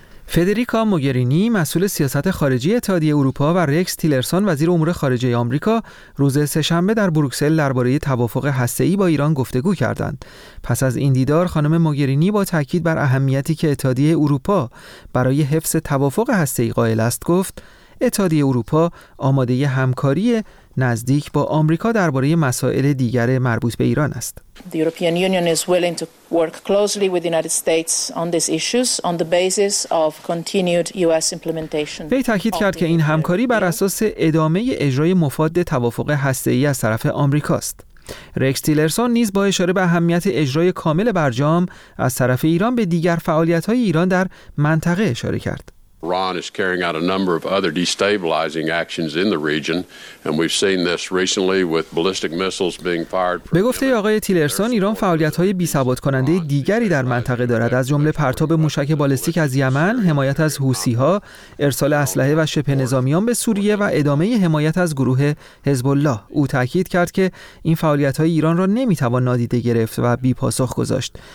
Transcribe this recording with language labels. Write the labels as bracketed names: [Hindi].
[Persian] فدریکا موگرینی مسئول سیاست خارجی اتحادیه اروپا و رکس تیلرسون وزیر امور خارجه آمریکا روز سه‌شنبه در بروکسل درباره توافق هسته‌ای با ایران گفتگو کردند. پس از این دیدار خانم موگرینی با تاکید بر اهمیتی که اتحادیه اروپا برای حفظ توافق هسته‌ای قائل است گفت اتحادیه اروپا آماده همکاری نزدیک با آمریکا درباره مسائل دیگر مربوط به ایران است. [English] The European Union is willing to work closely with the United States on these issues on the basis of continued US implementation. [Persian] وی تأکید کرد که این همکاری بر اساس ادامه اجرای مفاد توافق هسته‌ای از طرف آمریکا است. رکس تیلرسون نیز با اشاره به اهمیت اجرای کامل برجام از طرف ایران به دیگر فعالیت‌های ایران در منطقه اشاره کرد. [English] Iran is carrying out a number of other destabilizing actions in the region and we've seen this recently with ballistic missiles being fired. [Persian] به گفته آقای تیلرسون ایران فعالیت‌های بی‌ثبات کننده دیگری در منطقه دارد، از جمله پرتاب موشک بالستیک از یمن، حمایت از حوثی‌ها، ارسال اسلحه و شبه نظامیان به سوریه و ادامه حمایت از گروه حزب الله. او تاکید کرد که این فعالیت‌های ایران را نمی‌توان نادیده گرفت و بی‌پاسخ گذاشت.